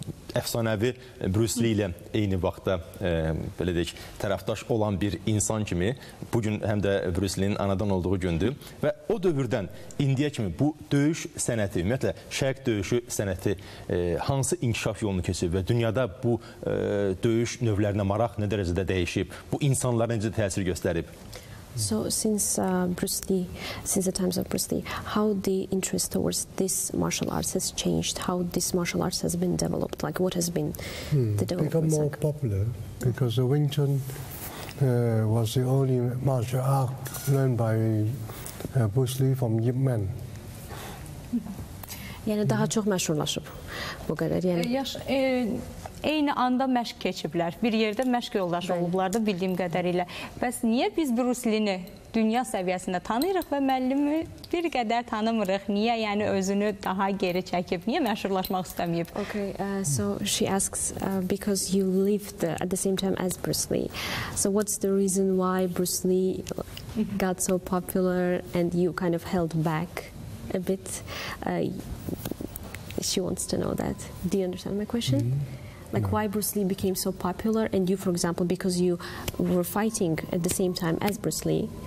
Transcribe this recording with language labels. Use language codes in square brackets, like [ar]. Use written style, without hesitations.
[az] Əfsanəvi Bruce Lee ilə eyni vaxtda belə deyək, tərəfdaş olan bir insan kimi, bugün həm də Bruce Lee'nin anadan olduğu gündür və o dövrdən indiyə kimi bu döyüş sənəti, ümumiyyətlə şərq döyüşü sənəti hansı inkişaf yolunu keçib və dünyada bu döyüş növlərinə maraq nə dərəcədə dəyişib, bu insanlara necə təsir göstərib? [en] So since Bruce Lee, since the times of Bruce Lee, how the interest towards this martial arts has changed? How this martial arts has been developed? Like what has been the development? Become more popular because the Wing Chun was the only martial art learned by Bruce Lee from Ip Man. [az] Yəni daha çox məşhurlaşıb bu qədər. Yəni Eyni anda məşq keçiblər, bir yerdə məşq yoldaşı olublar da bildiyim qədərilə. Bəs niyə biz Bruce Lee-ni dünya səviyyəsində tanıyırıq və müəllimi bir qədər tanımırıq? Niyə yəni özünü daha geri çəkib, niyə məşhurlaşmaq istəməyib? [en] Okay, so she asks, because you lived at the same time as Bruce Lee. So what's the reason why Bruce Lee got so popular and you kind of held back a bit? She wants to know that. Do you understand my question? Like why Bruce Lee became so popular and you, for example, because you were fighting at the same time as Bruce Lee?